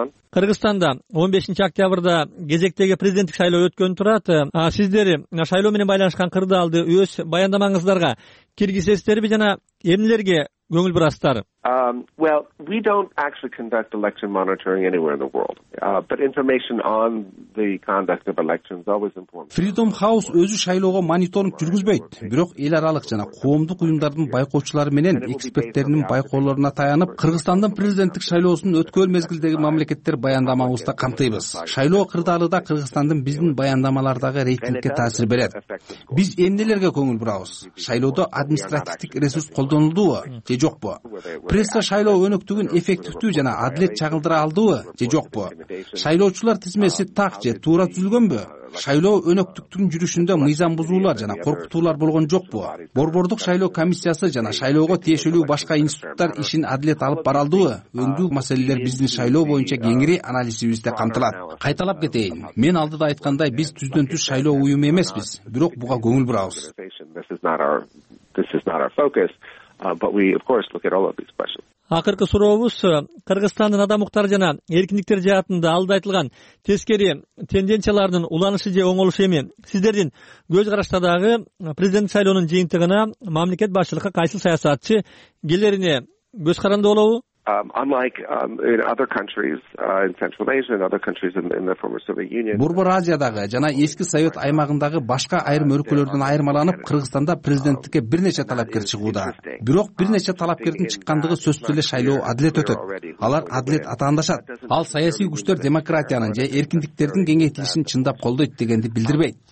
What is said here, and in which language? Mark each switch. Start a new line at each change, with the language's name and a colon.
Kyrgyz: Кыргызстанда 15 октябрда кезектеги президенттик шайлоо өткөнү турат. А сиздер шайлоо менен байланышкан кырдаалды өз баяндамаңыздарга киргизесиздерби жана эмнелерге көңүл бурасыздар?
English: Well, we don't actually conduct election monitoring anywhere in the world. But information on the conduct of elections always informs.
Kyrgyz: Freedom House өзү шайлоого мониторинг жүргүзбөйт, бирок эл аралык жана коомдук уюмдардын байкоочулары менен эксперттеринин байкоолоруна таянып, Кыргызстандын президенттик шайлоосун өткөн мезгилдеги мамлекеттер баяндамабызда камтыйбыз. Шайлоо кырдаалыда Кыргызстандын биздин баяндамалардагы рейтингке таасир берет. Биз эмнелерге көңүл бурабыз? Шайлоодо административдик ресурс колдонулдубу же жокпу? Пресса шайлоо өнөктүгүн эффективдүү жана адилет чагылдыра алдыбы же жокпу? Шайлоочулар тизмеси так же туура түзүлгөнбү? Шайлоо өнөктүктүн жүрүшүндө мыйзам бузуулар жана коркутуулар болгон жокпу? Борбордук шайлоо комиссиясы жана шайлоого тиешелүү башка институттар ишин адилет алып бара алдыбы? Өңдүү маселелер биздин шайлоо боюнча кеңири анализибизде камтылат. Кайталап кетейин, мен алдыда айткандай, биз түздөн түз шайлоо уюму эмеспиз, бирок буга көңүл бурабыз.
English: But we of course look at all of these questions.
Kyrgyz: Акыркы сурообуз Кыргызстандын адам укуктары жана эркиндиктер жаатында алда айтылган тескери тенденциялардын уланышы же оңолушу эми? Сиздердин көз караштардагы президент шайлоонун жыйынтыгына мамлекет башчылыгы кайсыл саясатчы келерине көз каранды болобу?
English: Unlike in other countries in Central Asia and other countries in the former Soviet Union.
Kyrgyz: Борбор Азиядагы жана эски Совет аймагындагы башка айрым өлкөлөрдөн айырмаланып, Кыргызстанда президенттикке бир нече талапкер чыгууда. Бирок бир нече талапкердин чыккандыгы сөзсүз эле шайлоо адилет өтөт. Алар адилет атаандашат. Ал саясий күчтөр демократиянын же эркиндиктердин кеңейтилишин чындап колдойт дегенди билдирбейт.